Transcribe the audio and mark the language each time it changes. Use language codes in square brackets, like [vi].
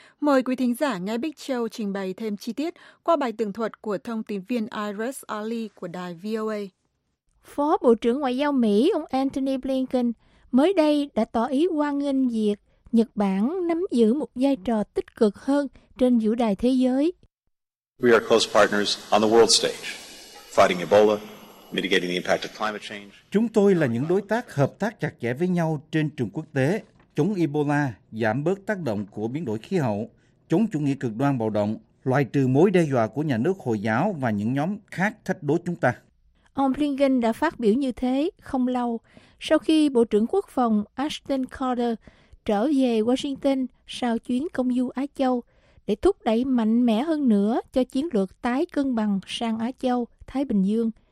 [vi] Mời quý thính giả nghe Bích Châu trình bày thêm chi tiết qua bài tường thuật của thông tín viên Iris Ali của đài VOA. Phó Bộ trưởng Ngoại giao Mỹ ông Antony Blinken mới đây đã tỏ ý hoan nghênh việc Nhật Bản nắm giữ một vai trò tích cực hơn trên vũ đài thế giới. [en] We are close partners on the world stage, fighting Ebola, mitigating the impact of climate change. [vi] Chúng tôi là những đối tác hợp tác chặt chẽ với nhau trên trường quốc tế, chống Ebola, giảm bớt tác động của biến đổi khí hậu, chống chủ nghĩa cực đoan bạo động, loại trừ mối đe dọa của nhà nước Hồi giáo và những nhóm khác thách đố chúng ta. Ông Blinken đã phát biểu như thế không lâu sau khi Bộ trưởng Quốc phòng Ashton Carter trở về Washington sau chuyến công du Á Châu, để thúc đẩy mạnh mẽ hơn nữa cho chiến lược tái cân bằng sang Á Châu, Thái Bình Dương.